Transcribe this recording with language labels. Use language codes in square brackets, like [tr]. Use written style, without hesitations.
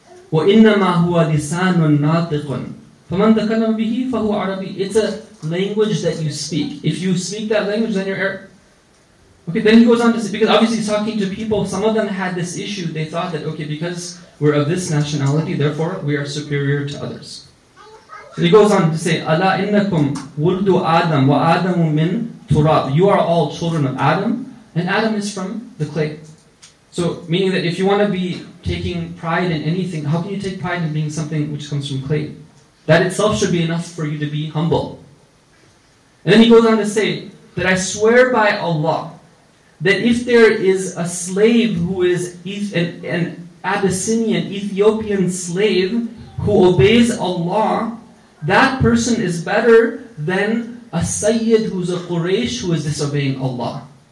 [ar] وَإِنَّمَا هُوَ لِسَانٌ نَاطِقٌ فَمَنْ تَكَلَمْ بِهِ فَهُوَ عَرَبِيٌ. [en] It's a language that you speak. If you speak that language, then you're Arab. Okay, then he goes on to say, because obviously he's talking to people, some of them had this issue, they thought that, okay, because we're of this nationality, therefore we are superior to others. So he goes on to say, [ar] أَلَا إِنَّكُمْ وُلْدُ آدَمْ وَآدَمُ مِنْ تُرَابٍ. [en] You are all children of Adam, and Adam is from the clay. So, meaning that if you want to be taking pride in anything, how can you take pride in being something which comes from clay? That itself should be enough for you to be humble. And then he goes on to say, that I swear by Allah, that if there is a slave who is an Abyssinian, Ethiopian slave, who obeys Allah, that person is better than a Sayyid who's a Quraysh who is disobeying Allah.